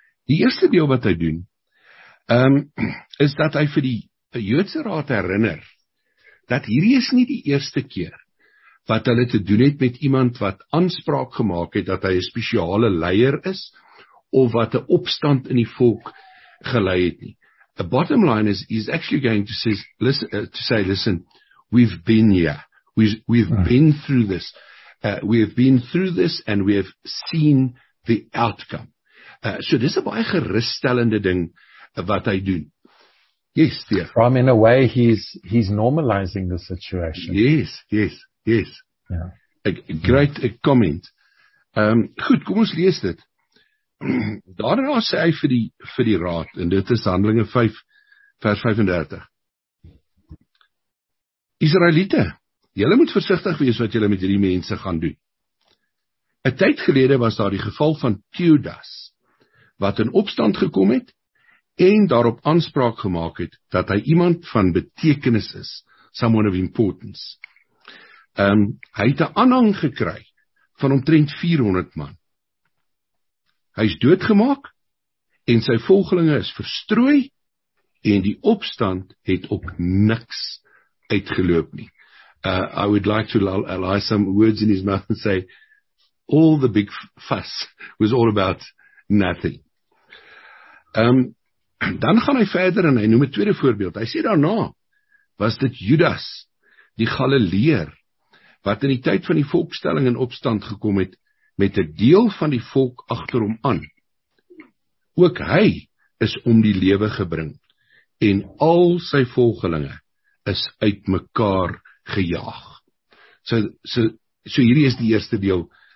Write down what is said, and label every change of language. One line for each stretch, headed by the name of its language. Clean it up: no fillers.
Afrikaans: Die eerste deel wat hy doen, is dat hy vir die Joodse raad herinner, dat hierdie is nie die eerste keer wat hulle te doen het met iemand wat aanspraak gemaak het, dat hy 'n spesiale leier is, of wat 'n opstand in die volk gelei het nie.
English: The bottom line is, he's actually going to say, listen, we've been here, we've been through this, we have been through this, and we have seen the outcome.
Afrikaans: So dis is 'n baie geruststellende ding wat hy doen.
English: Yes, dear. From in a way he's normalizing the situation. Yes. Yeah. Great comment.
Afrikaans: Goed, kom ons lees dit. Daarna sê hy vir die raad, en dit is Handelinge 5 vers 35. Israeliete, julle moet versigtig wees wat julle met hierdie mense gaan doen. 'N tyd gelede was daar die geval van Theudas, wat in opstand gekom het en daarop aanspraak gemaak het dat hy iemand van betekenis is,
English: someone of importance.
Afrikaans: Hy het 'n aanhang gekry van omtrent 400 man. Hy is doodgemaak en sy volgelinge is verstrooi en die opstand het op niks uitgeloop nie.
English: I would like to lay some words in his mouth and say, all the big fuss was all about nothing.
Afrikaans: Dan gaan hy verder en hy noem 'n tweede voorbeeld. Hy sê daarna was dit Judas, die Galileer, wat in die tyd van die volkstelling in opstand gekom het met 'n deel van die volk agter hom aan. Ook hy is om die lewe gebring en al sy volgelinge is uitmekaar gejaag. So hierdie is die eerste deel